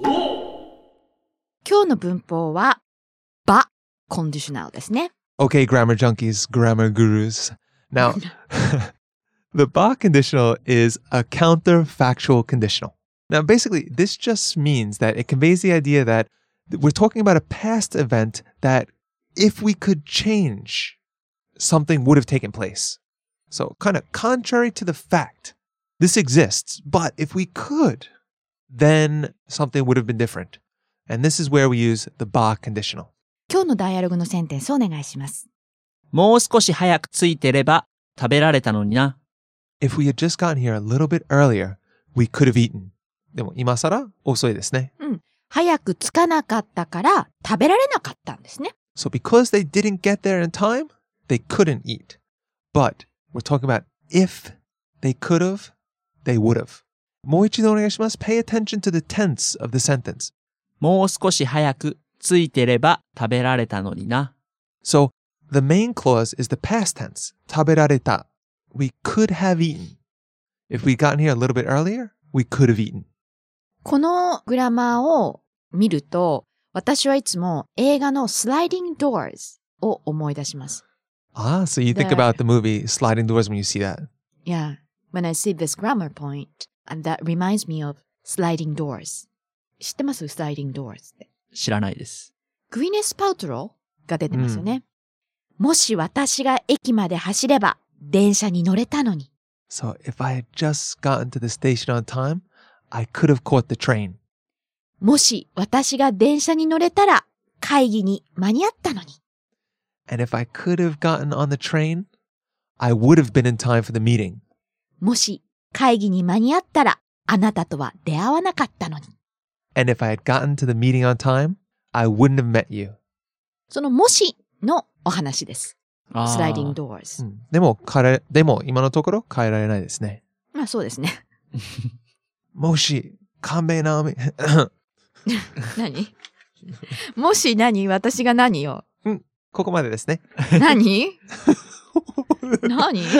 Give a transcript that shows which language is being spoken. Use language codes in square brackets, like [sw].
[ja] 今日の文法は ba conditional ですね。 [en] Okay, grammar junkies, grammar gurus. Now, the ba conditional is a counterfactual conditional. Now, basically, this just means that it conveys the idea that we're talking about a past event that if we could change, something would have taken place. So, kind of contrary to the fact, this exists, but if we could, then something would have been different. And this is where we use the ba conditional. [ja] 今日のダイアログのセンテンスをお願いします。もう少し早く着いてれば食べられたのにな。 [en] If we had just gotten here a little bit earlier, we could have eaten. [ja] でも今更遅いですね。うん。早く着かなかったから食べられなかったんですね。 [en] So because they didn't get there in time, they couldn't eat. But we're talking about if they could have, they would have. [ja] もう一度お願いします。 [en] Pay attention to the tense of the sentence. [ja] もう少し早くついてれば食べられたのにな。 [en] So, the main clause is the past tense. [ja] 食べられた。 [en] We could have eaten. If we'd gotten here a little bit earlier, we could have eaten. [ja] このグラマーを見ると、私はいつも映画の Sliding Doors を思い出します。 [en] Ah, so you think about the movie Sliding Doors when you see that. Yeah, when I see this grammar point, and that reminds me of Sliding Doors. [ja] 知ってます Sliding Doors って。知らないです。グイネス・パウトローが出てますよね、うん。もし私が駅まで走れば電車に乗れたのに。 [en] So if I had just gotten to the station on time, I could have caught the train. [ja] もし私が電車に乗れたら会議に間に合ったのに。 [en] And if I could have gotten on the train, I would have been in time for the meeting. [ja] もし会議に間に合ったらあなたとは出会わなかったのに。 [en] And if I had gotten to the meeting on time, I wouldn't have met you. [ja] そのもしのお話です。 [en] Sliding doors.、 [ja] うん、でも今のところ変えられないですね。まあそうですね。もし、勘弁なおみ。何もし何私が何よ、うん、ここまでですね。何何